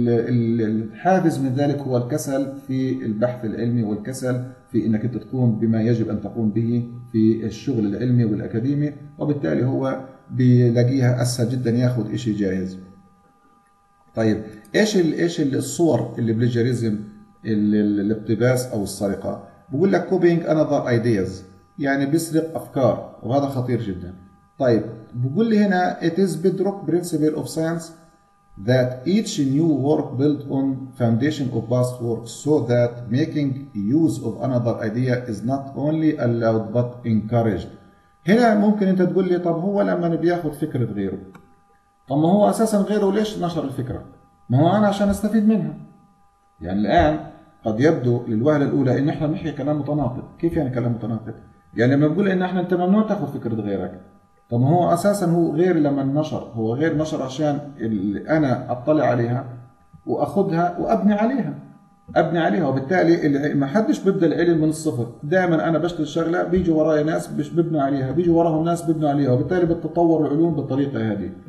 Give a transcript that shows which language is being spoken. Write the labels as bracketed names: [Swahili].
[Arabic] الحافز من ذلك هو الكسل في البحث العلمي والكسل في انك انت تقوم بما يجب ان تقوم به في الشغل العلمي والاكاديمي، وبالتالي هو بيلاقيها اسهل جدا ياخذ شيء جاهز. طيب ايش الصور اللي بلجيريزم الاقتباس او السرقه؟ بقول لك كوبينج انذر ايدياز يعني بيسرق افكار وهذا خطير جدا. طيب بقول لي هنا [English] it is bedrock principle of science that each new work built on foundation of past work so that making use of another idea is not only allowed but encouraged. [Arabic] هنا ممكن انت تقول لي طب هو لما بياخذ فكره غيره، طب ما هو اساسا غيره ليش نشر الفكره؟ ما هو انا عشان استفيد منها. يعني الان قد يبدو للوهله الاولى ان احنا نحكي كلام متناقض. كيف يعني كلام متناقض؟ يعني لما بقول ان احنا انت ممنوع تاخذ فكره غيرك، طب هو اساسا هو غير لما نشر، هو غير نشر عشان انا اطلع عليها واخذها وابني عليها، ابني عليها، وبالتالي ما حدش بيبدا العلم من الصفر، دائما انا بشتغل شغله بيجي وراي ناس بيبنوا عليها، بيجي وراهم ناس بيبنوا عليها، وبالتالي بتتطور العلوم بالطريقه هذه.